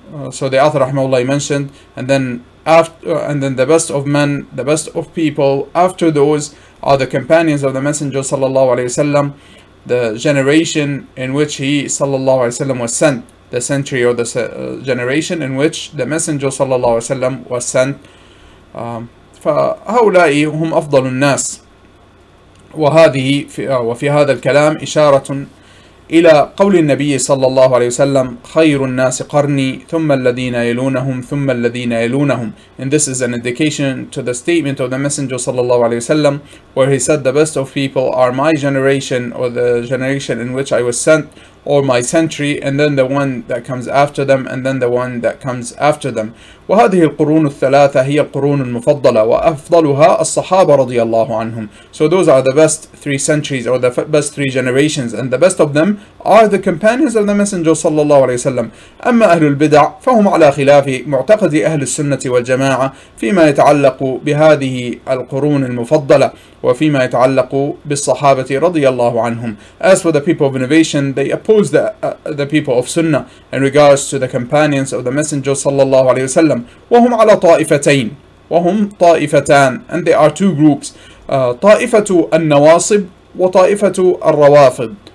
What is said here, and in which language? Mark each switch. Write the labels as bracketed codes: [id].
[en] So the author rahimahullah mentioned, and then the best of men, the best of people after those are the companions of the Messenger sallallahu alaihi wasallam, the generation in which he sallallahu alaihi wasallam was sent, the century or the generation in which the Messenger sallallahu alaihi wasallam was sent. [ar] فهؤلاء هم أفضل الناس. وهذه وفي هذا الكلام إشارة إلى قول النبي صلى الله عليه وسلم: خير الناس قرني ثم الذين يلونهم ثم الذين يلونهم. [en] And this is an indication to the statement of the Messenger صلى الله عليه وسلم, where he said, the best of people are my generation, or the generation in which I was sent, or my century, and then the one that comes after them, and then the one that comes after them. [ar] وهذه القرون الثلاثة هي القرون المفضلة وأفضلها الصحابة رضي الله عنهم. [en] So those are the best three centuries or the best three generations, and the best of them are the companions of the Messenger صلى الله عليه وسلم. [ar] أما أهل البدع فهم على خلاف معتقد أهل السنة والجماعة فيما يتعلق بهذه القرون المفضلة وفيما يتعلق بالصحابة رضي الله عنهم. [en] As for the people of innovation, they oppose the people of sunnah in regards to the companions of the Messenger صلى الله عليه وسلم. [ar] وهم على طائفتين وهم طائفتان, [en] and they are two groups, [ar] طائفة النواصب وطائفة الروافض.